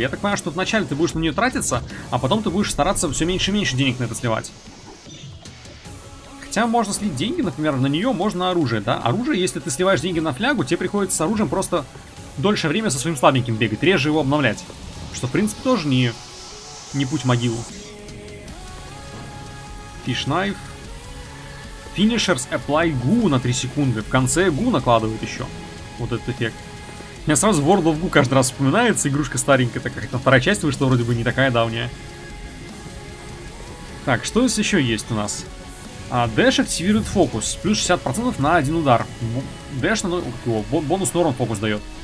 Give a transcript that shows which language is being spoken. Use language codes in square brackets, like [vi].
[ru] Я так понимаю, что вначале ты будешь на нее тратиться, а потом ты будешь стараться все меньше и меньше денег на это сливать. Хотя можно слить деньги, например, на нее, можно на оружие, да? Оружие, если ты сливаешь деньги на флягу, тебе приходится с оружием просто дольше время со своим слабеньким бегать, реже его обновлять. Что, в принципе, тоже не путь в могилу. Фишнайф. [en] Finishers apply goo [ru] на 3 секунды. В конце goo накладывают еще. Вот этот эффект. У меня сразу World of Goo каждый раз вспоминается. Игрушка старенькая такая. Там вторая часть вышла, вроде бы не такая давняя. Так, что здесь еще есть у нас? А, дэш активирует фокус. Плюс 60% на один удар. Дэш на... бонус на урон фокус дает.